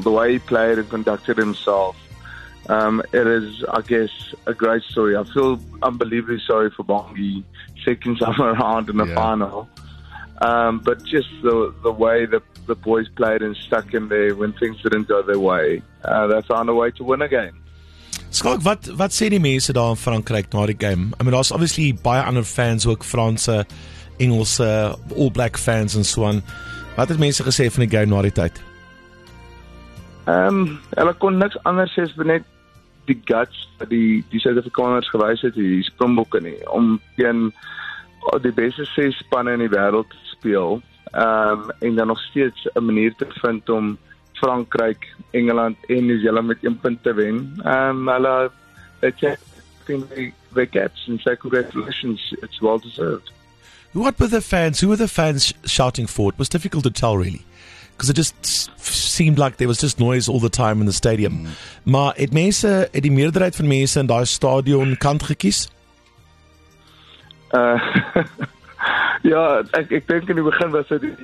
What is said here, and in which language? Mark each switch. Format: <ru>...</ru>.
<en>The way he played and conducted himself, it is, I guess, a great story. I feel unbelievably sorry for Bongi, second time around in the final. But just the way the boys played and stuck in there when things didn't go their way, they found a way to win a game.</en> <af>Skalk, wat sê die mense daar in Frankryk na die game?</af> <en>I mean, there's obviously</en> <af>baie ander fans, ook Franse, Engelse,</af> <en>All Black fans and so on.</en> <af>Wat het mense gesê van die game na die tyd? Hulle kon niks anders sê as net die guts dat die Suid-Afrikaners gewys het, die Springbokke nie, om teen die beste 6 spanne in die wêreld te speel, en dan nog steeds 'n manier te vind om Frankryk, Engeland en New Zealand met 1 punt te wen. Hulle het sê,</af> <en>they catch and say congratulations, it's well deserved. What were the fans? Who were the fans shouting for? It was difficult to tell, really, because it just seemed like there was just noise all the time in the stadium.</en> <af>Maar het mense, het die meerderheid van mense in daai stadion kant gekies? ja, ek dink in die begin was dit.</af>